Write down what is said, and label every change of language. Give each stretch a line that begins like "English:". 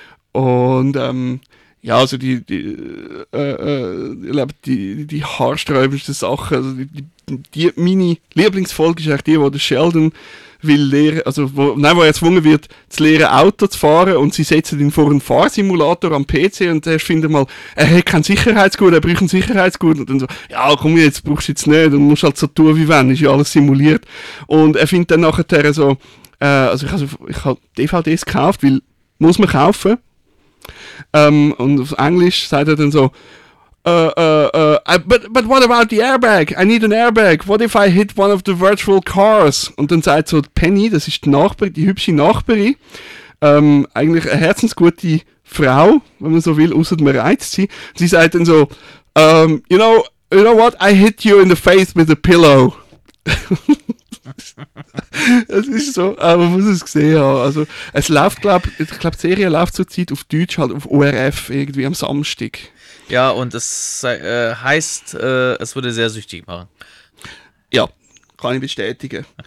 German: Und die haarsträubendsten Sachen, also die meine Lieblingsfolge ist eigentlich die, wo der Sheldon wo er gezwungen wird, zu lernen, Auto zu fahren, und sie setzen ihn vor einen Fahrsimulator am PC und erst findet mal, er hat kein Sicherheitsgurt, er braucht ein Sicherheitsgurt, und dann so, ja komm, jetzt brauchst du jetzt nicht, und musst halt so tun wie wenn, ist ja alles simuliert. Und er findet dann nachher so, ich habe DVDs gekauft, weil muss man kaufen. Und auf Englisch sagt er dann so,
English: but what about the airbag? I need an airbag. What if I hit one of the virtual cars?
German: Und dann sagt so Penny, das ist die hübsche Nachbarin, eigentlich eine herzensgute Frau, wenn man so will, außer man reizt sie. Sie sagt dann so,
English: you know what? I hit you in the face with a pillow.
German: Es ist so, aber man muss es gesehen haben. Also, es läuft, glaube ich, die Serie läuft zurzeit auf Deutsch, halt auf ORF, irgendwie am Samstag. Ja, und es heißt, es würde sehr süchtig machen. Ja, kann ich bestätigen.